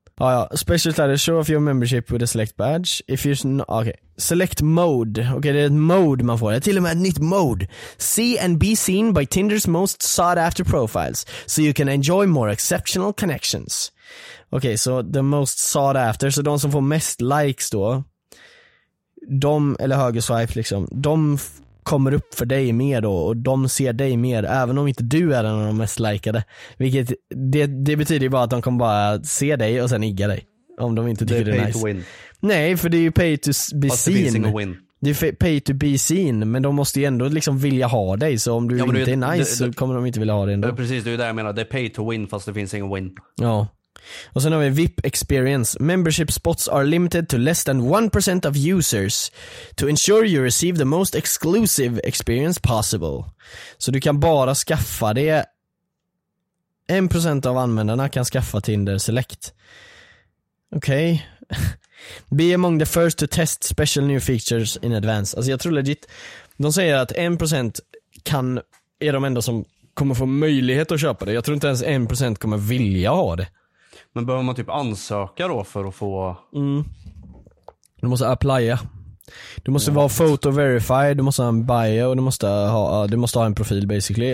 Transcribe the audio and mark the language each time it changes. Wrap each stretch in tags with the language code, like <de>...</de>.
<en>Ja, special status, show off your membership with a select badge. If you're okay.</en> <sv>Select mode. Okej, okay, det är ett mode man får. Det är till och med ett nytt mode.</sv> <en>See and be seen by Tinder's most sought after profiles so you can enjoy more exceptional connections.</en> <sv>Okej, okay, så</sv> <en>so the most sought after,</en> <sv>så so de som får mest likes då, de, eller höger swipe liksom, de kommer upp för dig mer då och de ser dig mer även om inte du är den av de mest likade. Vilket det betyder ju bara att de kommer bara se dig och sen igga dig om de inte tycker det är nice. Nej, för det är ju</sv> <en>pay to be seen.</en> <sv>Det är pay to be seen, men de måste ju ändå liksom vilja ha dig, så om du ja, inte är nice så kommer de inte vilja ha dig ändå. Precis, det är det jag menar. Det är pay to win fast det finns ingen win. Ja. Och sen har vi VIP experience.</sv> <en>Membership spots are limited to less than 1% of users to ensure you receive the most exclusive experience possible.</en> <sv>Så du kan bara skaffa det. 1% av användarna kan skaffa Tinder Select. Okej. Okay.</sv> <en>Be among the first to test special new features in advance.</en> <sv>Alltså jag tror legit. De säger att 1% kan, är de enda som kommer få möjlighet att köpa det. Jag tror inte ens 1% kommer vilja ha det. Men behöver man typ ansöka då för att få... Mm. Du måste applya. Du måste vara photo verified, du måste ha en bio, du måste ha en profil basically.</sv>